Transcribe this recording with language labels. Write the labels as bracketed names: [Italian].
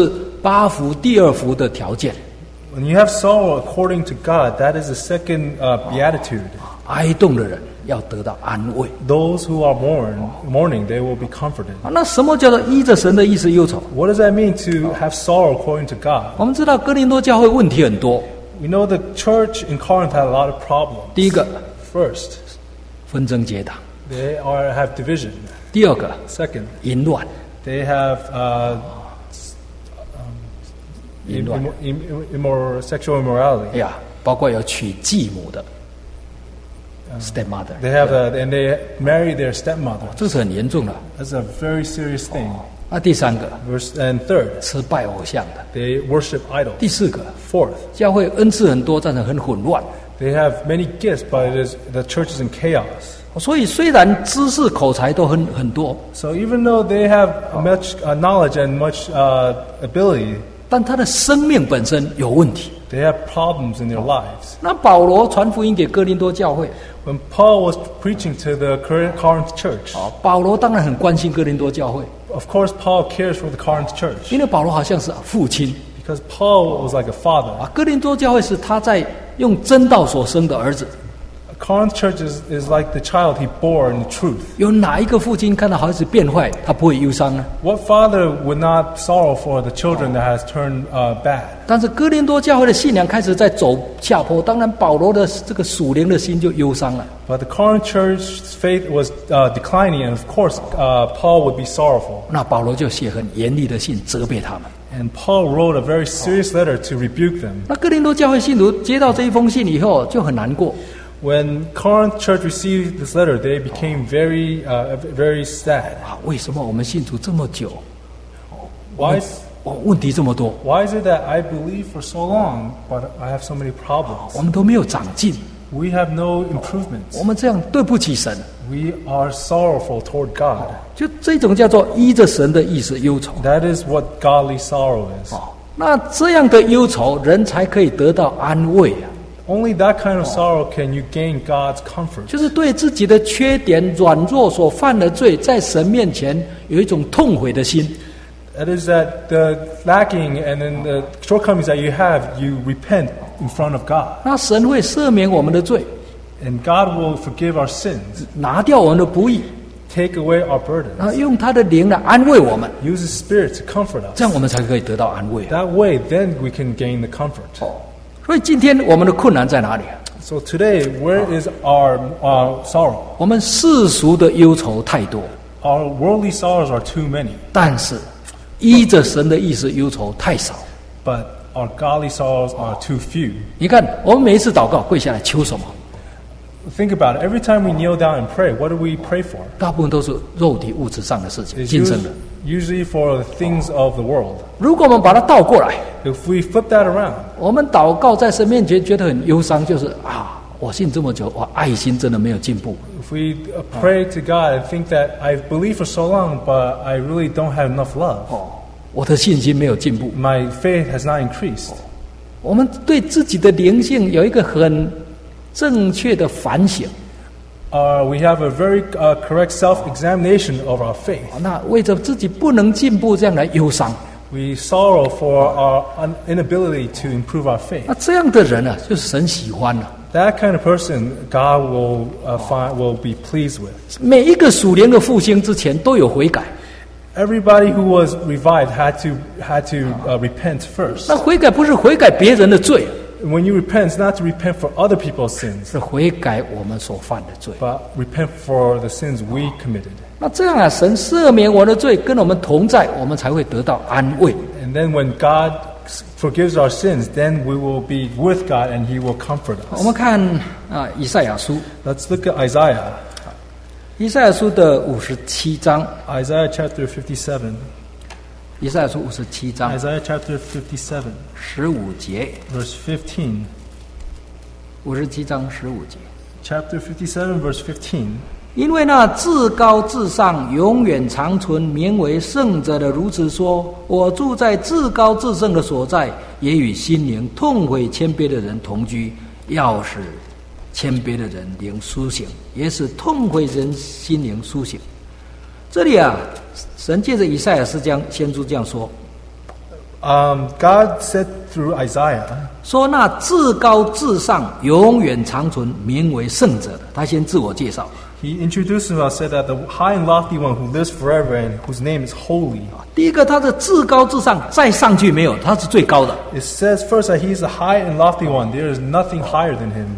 [Chinese] 那这个依着神的意思忧愁就是八福第二福的条件。 [English] When you have sorrow according to God, that is the second beatitude. [Chinese] 哀动的人要得到安慰。 [English] Those who are mourning, they will be comforted. [Chinese] 那什么叫做依着神的意思忧愁? [English] What does that mean to have sorrow according to God? [Chinese] 我们知道哥林多教会问题很多。 [English] We know the church in Corinth had a lot of problems. [Chinese] 第一个, [English] first, [Chinese] 纷争结党, [English] they have division. [Chinese] 第二个, [English] second, [Chinese] 淫乱, [English] they have sexual immorality. [Chinese] Yeah, 包括要娶继母的, stepmother. [English] They have and they marry their stepmother. [Chinese] 这是很严重的, [English] that's a very serious thing. [Chinese] 那第三个, [English] verse, and third, [Chinese] 吃拜偶像的, [English] they worship idols. [Chinese] 第四个, [English] fourth, [Chinese] 教会恩赐很多, 但是很混乱, [English] they have many gifts, but it is, the church is in chaos. [Chinese] 所以虽然知识口才都很多, [English] so even though they have much knowledge and much ability, [Chinese] 但他的生命本身有问题, [English] they have problems in their lives. [Chinese] 那保罗传福音给哥林多教会, [English] when Paul was preaching to the Corinth church, [Chinese] 保罗当然很关心哥林多教会。 [English] Of course, Paul cares for the Corinth church. [Chinese] 因为保罗好像是父亲。 [English] Because Paul was like a father. [Chinese] 啊，哥林多教会是他在用真道所生的儿子。 [English] Corinth Church is like the child he bore in the truth. [Chinese] 有哪一个父亲看到孩子变坏，他不会忧伤呢？ [English] What father would not sorrow for the children that has turned bad? [Chinese] 但是哥林多教会的信仰开始在走下坡，当然保罗的这个属灵的心就忧伤了。 [English] But the Corinth Church's faith was declining, and of course, Paul would be sorrowful. [Chinese] 那保罗就写很严厉的信责备他们。 [English] And Paul wrote a very serious letter to rebuke them. [Chinese] 那哥林多教会信徒接到这一封信以后就很难过。 [English] When Corinth Church received this letter, they became very, very sad. [Chinese] 啊，为什么我们信主这么久？ [English] Why is [Chinese] 问题这么多？ [English] Why is it that I believe for so long, but I have so many problems? [Chinese] 我们都没有长进。 [English] We have no improvements. [Chinese] 我们这样对不起神。 [English] We are sorrowful toward God. [Chinese] 就这种叫做依着神的意思忧愁。 [English] That is what godly sorrow is. [Chinese] 那这样的忧愁，人才可以得到安慰啊。 [English] Only that kind of sorrow can you gain God's comfort. [Chinese] 就是对自己的缺点、软弱所犯的罪，在神面前有一种痛悔的心。 [English] That is that the lacking and then the shortcomings that you have, you repent in front of God. [Chinese] 那神会赦免我们的罪。 [English] And God will forgive our sins. [Chinese] 拿掉我们的不义。 [English] Take away our burdens. [Chinese] 然后用他的灵来安慰我们。 [English] Use His Spirit to comfort us. [Chinese] 这样我们才可以得到安慰。 [English] That way, then we can gain the comfort. [Chinese] 所以今天我们的困难在哪里？ [English] So today, where is our sorrow? [Chinese] 我们世俗的忧愁太多。 [English] Our worldly sorrows are too many. [Chinese] 但是依着神的意思忧愁太少。 [English] But our godly sorrows are too few. [Chinese] 你看，我们每一次祷告跪下来求什么？ [English] Think about it. Every time we kneel down and pray, what do we pray for? [Chinese] 大部分都是肉体物质上的事情，今生的。 [English] Usually for the things of the world. [Chinese] 如果我们把它倒过来， [English] If we flip that around, [Chinese] 我们祷告在神面前觉得很忧伤，就是啊，我信这么久，我爱心真的没有进步。 [English] If we pray to God and think that I've believed for so long, but I really don't have enough love. [Chinese] 我的信心没有进步。 [English] My faith has not increased. [Chinese] 我们对自己的灵性有一个很正确的反省。 [English] We have a very correct self-examination of our faith. [Chinese] 那为着自己不能进步这样来忧伤。 [English] We sorrow for our inability to improve our faith. [Chinese] 那这样的人呢，就是神喜欢了。 [English] That kind of person God will be pleased with. [Chinese] 每一个属灵的复兴之前都有悔改。 [English] Everybody who was revived had to repent first. [Chinese] 那悔改不是悔改别人的罪。 [English] When you repent, it's not to repent for other people's sins. [Chinese] 是悔改我们所犯的罪。 [English] But repent for the sins we committed. [Chinese] 那这样啊，神赦免我的罪，跟我们同在，我们才会得到安慰。 [English] And then when God forgives our sins, then we will be with God and He will comfort us. [Chinese] 我们看以赛亚书。 [English] Let's look at Isaiah. [Chinese] 以赛亚书的五十七章。 [English] Isaiah chapter 57. [Chinese] 以赛亚书五十七章 [English] Isaiah chapter 57 [Chinese] 十五节 [English] Verse 15 [Chinese] 五十七章十五节 [English] Chapter 57 verse 15 [Chinese] 因为那至高至上永远长存名为圣者的如此说我住在至高至圣的所在也与心灵痛悔谦卑的人同居要使谦卑的人灵苏醒也使痛悔人心灵苏醒这里啊神借着以赛亚是这样先知这样说 [English] God said through Isaiah [Chinese] 说那至高至上永远长存名为圣者的他先自我介绍 [English] He introduced himself said that the high and lofty one who lives forever and whose name is holy [Chinese] 第一个他的至高至上再上去没有他是最高的 [English] It says first that he is the high and lofty one there is nothing higher than him